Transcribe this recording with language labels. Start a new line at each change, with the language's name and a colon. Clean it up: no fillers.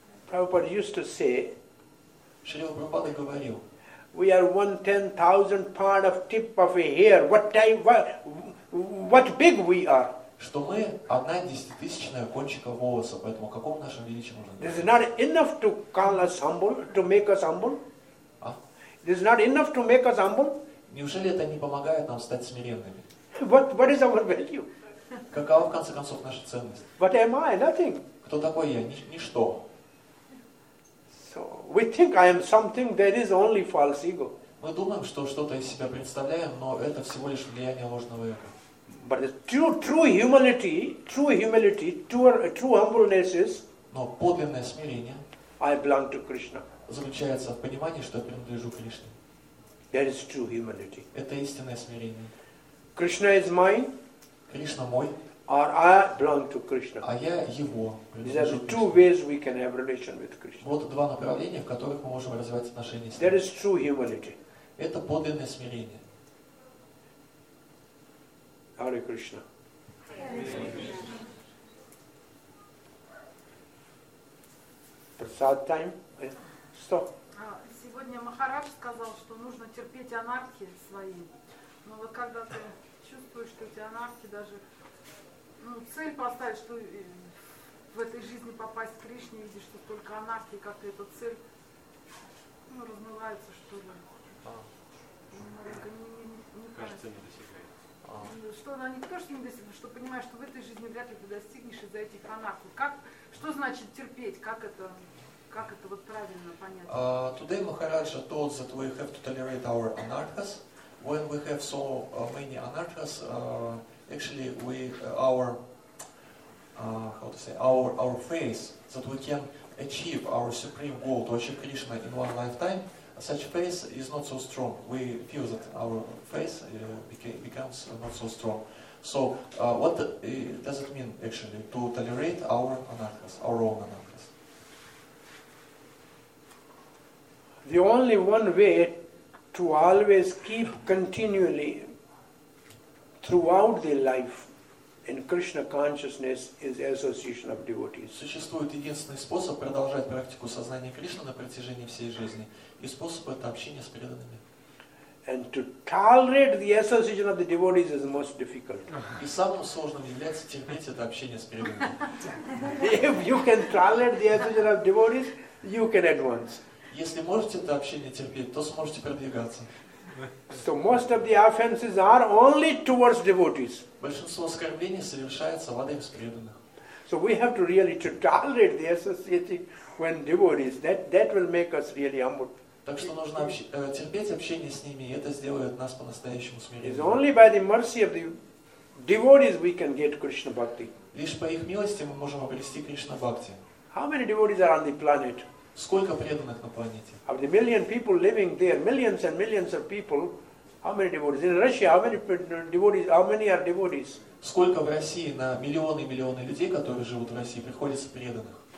English: Prabhupada used to say,
Russian: Шрила Прабхупада говорил,
English: we are 1/10,000 part of tip of a hair, what big we are.
Russian: Что мы 1/10,000 кончика волоса, поэтому о каком нашем величии можно говорить?
English: This is not enough to call us humble, to make us humble? This is not enough to make us humble?
Russian: Неужели это не помогает нам стать смиренными?
English: What is our value?
Russian: Какова в конце концов наша ценность?
English: What am I? Nothing.
Russian: Кто такой я? Ничто.
English: So we think I am something. There is only false ego.
Russian: Мы думаем, что что-то из себя представляем, но это всего лишь влияние ложного эго.
English: But true humility, true humbleness is.
Russian: Но подлинное смирение.
English: I belong to Krishna.
Russian: Заключается в понимании, что я принадлежу Кришне.
English: That is true humility.
Russian: Это истинное смирение.
English: Krishna is mine.
Russian: Кришна мой.
English: Or I belong to Krishna.
Russian: А я его.
English: There are two ways we can have relation with Krishna.
Russian: Вот два направления, в которых мы можем развивать отношения с ним.
English: There is true humility.
Russian: Это подлинное смирение.
English: Hare Krishna. Prasad time.
Russian: Что? Сегодня Махарадж сказал, что нужно терпеть анархии свои. Но вот когда ты чувствуешь, что эти анархии даже цель поставить, что в этой жизни попасть к Кришне, видишь, что только анархии, как эта цель размывается, что ли. Что она не то, что не достигает, что понимаешь, что в этой жизни вряд ли ты достигнешь из-за этих анархий. Как, что значит терпеть? Как это вот правильно понять?
English: Today Maharaja told that we have to tolerate our anarchas. When we have so many anarchas, actually we our how to say our faith that we can achieve our supreme goal to achieve Krishna in one lifetime, such faith is not so strong. We feel that our faith becomes not so strong. So what does it mean actually to tolerate our anarchas, our own anarchas? The only one way to always keep continually throughout the life in Krishna consciousness is association of devotees.
Russian: Существует единственный способ продолжать практику сознания Кришны на протяжении всей жизни, и способ это общение с преданными.
English: And to tolerate the association of the devotees is most difficult.
Russian: И самым сложным является терпеть это общение с преданными.
English: If you can tolerate the association of devotees, you can advance.
Russian: Если можете это общение терпеть, то сможете продвигаться.
English: So most of the offenses are only towards devotees.
Russian: Большинство оскорблений совершается в адрес преданных.
English: So we have to really to tolerate the association when devotees. That will make us really humble.
Russian: Так что нужно терпеть общение с ними, и это сделает нас по-настоящему смиренными.
English: It's only by the mercy of the devotees we can get Krishna bhakti.
Russian: Лишь по их милости мы можем обрести Кришна бхакти.
English: How many devotees are on the planet?
Russian: Сколько преданных на планете?
English: Of the million people living there, millions and millions of people, how many devotees? In Russia, how many are devotees?
Russian: Сколько в России на миллионы и миллионы людей, которые живут в России, приходится преданных?